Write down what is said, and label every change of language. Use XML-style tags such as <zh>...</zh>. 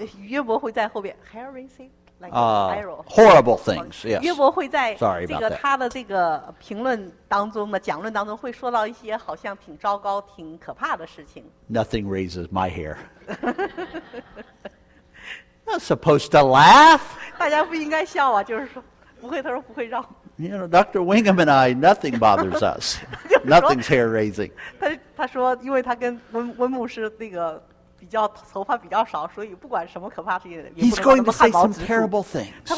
<zh>约伯会在后面,</zh> <en>hair-raising? Horrible things, yes.</en> <zh>约伯会在这个评论当中的讲论当中会说到一些好像挺糟糕挺可怕的事情。</zh> <en>Nothing raises my hair. Not supposed to laugh.</en> <zh>大家不应该笑啊, 就是说, 不会, 他说不会让。</zh> <en>You know, Dr. Wingham and I, nothing bothers us. Nothing's hair raising.</en> <zh>他说因为他跟温牧师那个</zh> <en>He's going to say some terrible things.</en>